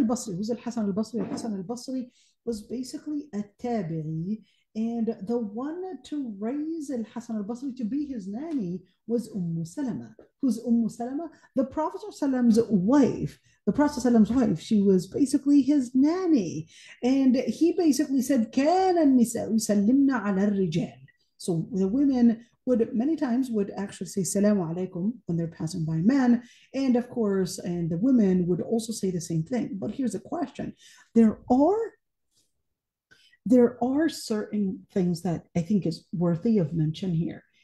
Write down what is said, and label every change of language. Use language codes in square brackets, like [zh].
[en] Al-Hasan al-Basri was basically a tabi'i. And the one to raise al-Hasan al-Basri to be his nanny was Ummu Salama. Who's Ummu Salama? The Prophet ﷺ's wife. The Prophet ﷺ's wife, she was basically his nanny. And he basically said, [ar] كَانَ النِّسَاءُ يُسَلِّمْنَا عَلَى الرِّجَالِ. [en] So the women would many times would actually say salamu alaikum when they're passing by men. And of course, and the women would also say the same thing. But here's a question. There are certain things that I think is worthy of mention here.